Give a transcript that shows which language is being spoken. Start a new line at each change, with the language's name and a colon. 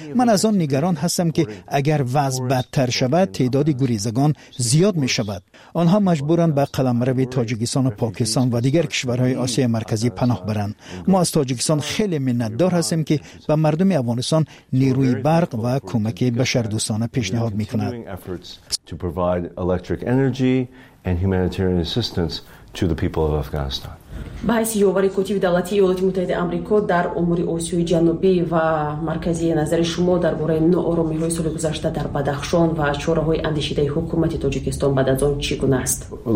Persian: من از آن نگران هستم که اگر وضع بدتر شود تعداد گریزگان زیاد می‌شود. آنها مجبورند به قلمرو تاجیکستان و پاکستان و دیگر کشورهای آسیای مرکزی پناه برند. ما از تاجیکستان خیلی منتظر هستیم که به مردم افغانستان نیروی برق و کمک بشردوستانه پیشنهاد میکند.
English: To provide electric energy and humanitarian assistance to the people of Afghanistan.
Persian: به حیث یووری کتیب دولتی ایالات متحده امریکا در امور آسیای جنوبی و مرکزی نظر شما در باره نوآرامی های سال گذشته در بدخشان و چاره‌های اندیشیده حکومت تاجیکستان بعد از آن چگونه است؟